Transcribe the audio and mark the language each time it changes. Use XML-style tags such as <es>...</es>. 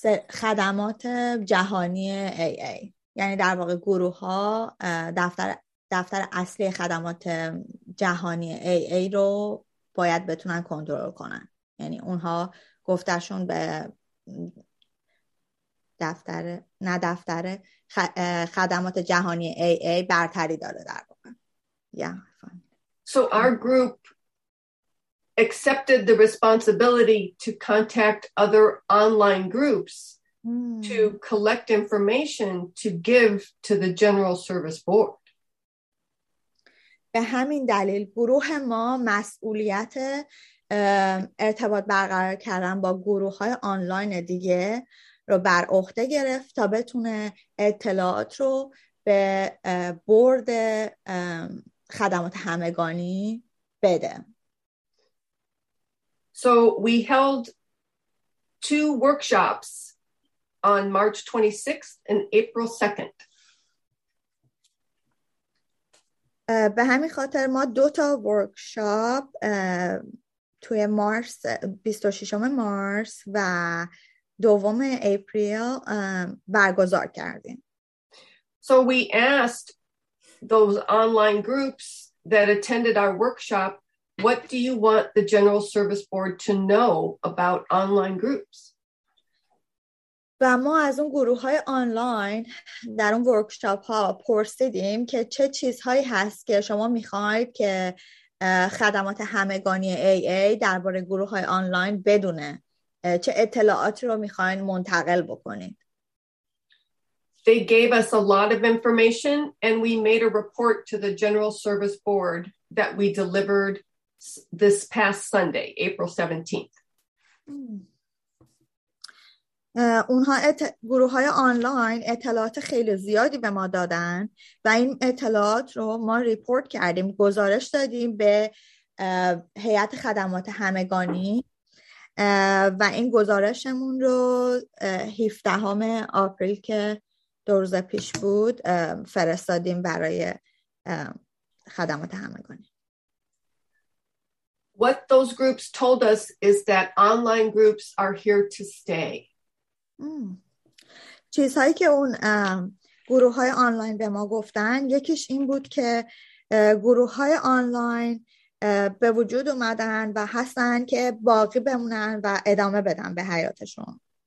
<fa>خدمات جهانی AA، یعنی در واقع گروه ها دفتر اصلی خدمات جهانی AA رو باید بتونن کنترل کنن. یعنی اونها گفتشون به دفتر نه دفتر خدمات جهانی AA برتری داره در واقع.</fa> <en>So our group accepted the responsibility to contact other online groups to collect information to give to the General Service Board.</en> <fa>به همین دلیل گروه ما مسئولیت ارتباط برقرار کردن با گروه های آنلاین دیگه رو بر عهده گرفت تا بتونه اطلاعات رو به بورد خدمات همگانی بده.</fa> <en>So we held two workshops on March 26th and April 2nd.</en> <fa>به همین خاطر ما دو تا ورکشاپ توی مارس 26 مارس و دوم اپریل برگزار کردیم.</fa> <en>So we asked those online groups that attended our workshop, what do you want the General Service Board to know about online groups?</en> <fa>و ما از اون گروه های آنلاین در اون ورکشاپ ها پرسیدیم که چه چیزهایی هست که شما میخواید که خدمات همگانی AA درباره گروه های آنلاین بدونه، چه اطلاعاتی رو میخواین منتقل بکنید.</fa> <en>They gave us a lot of information and we made a report to the General Service Board that we delivered this past Sunday, April 17th.</en> <fa>اونها گروه های آنلاین اطلاعات خیلی زیادی به ما دادن و این اطلاعات رو ما ریپورت کردیم، گزارش دادیم به هیئت خدمات همگانی و این گزارشمون رو 17 آوریل که دو روز پیش بود فرستادیم برای خدمات همگانی.</fa> <en>What those groups told us is that online groups are here to stay.</en> <fa>چیزهایی که اون گروه های آنلاین به ما گفتن، یکیش این بود که گروه های آنلاین به وجود اومدن و هستن که باقی بمونن و ادامه بدن به حیاتشون.</fa>